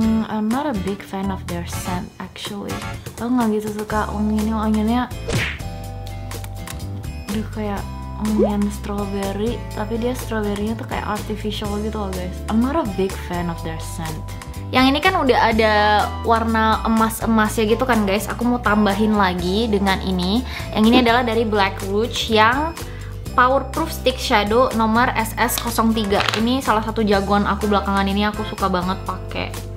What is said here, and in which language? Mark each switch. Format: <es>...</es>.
<en>I'm not a big fan of their scent actually.</en> <id>Aku enggak gitu suka wanginya. Aduh, kayak onion strawberry, tapi dia strawberry-nya tuh kayak artificial gitu loh, guys.</id> <en>I'm not a big fan of their scent.</en> <id>Yang ini kan udah ada warna emas-emasnya gitu kan, guys. Aku mau tambahin lagi dengan ini. Yang ini adalah dari Black Rouge yang Powerproof Stick Shadow nomor SS03. Ini salah satu jagoan aku belakangan ini, aku suka banget pakai.</id>